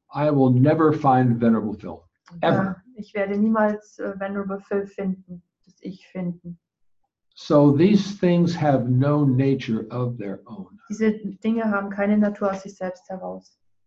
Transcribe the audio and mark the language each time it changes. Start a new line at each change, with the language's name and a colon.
English: I will never find Venerable Phil. Ever.
German: Ich werde niemals Venerable Phil finden, das ich finden.
English: So these things have no nature of their own.
German: Diese Dinge haben keine Natur aus sich selbst heraus.